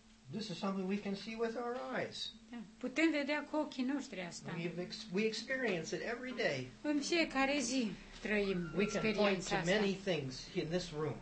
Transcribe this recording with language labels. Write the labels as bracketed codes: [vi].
[en] This is something we can see with our eyes. [ro] Da. Putem vedea cu ochii noștri asta. [en] We experience it every day. [ro] În fiecare zi trăim experiența asta. [en] We can point to many things in this room.